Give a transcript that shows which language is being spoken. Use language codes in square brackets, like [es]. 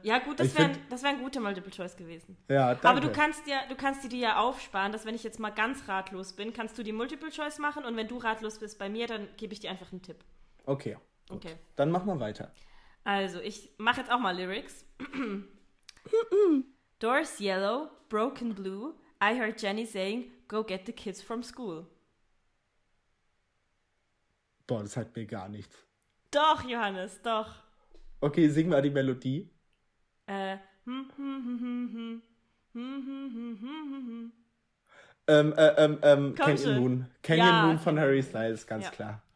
[de] Ja gut, das wären gute Multiple Choice gewesen. Ja, danke. Aber du kannst dir ja aufsparen, dass wenn ich jetzt mal ganz ratlos bin, kannst du die Multiple Choice machen und wenn du ratlos bist bei mir, dann gebe ich dir einfach einen Tipp. Okay, gut. Okay. Dann mach mal weiter. Also, ich mache jetzt auch mal Lyrics. [en] Doors yellow, broken blue, I heard Jenny saying, go get the kids from school. [de] Boah, das hat mir gar nichts. Doch, Johannes, doch. Okay, sing mal die Melodie. Canyon Moon. Canyon Moon von Harry Styles, ganz klar.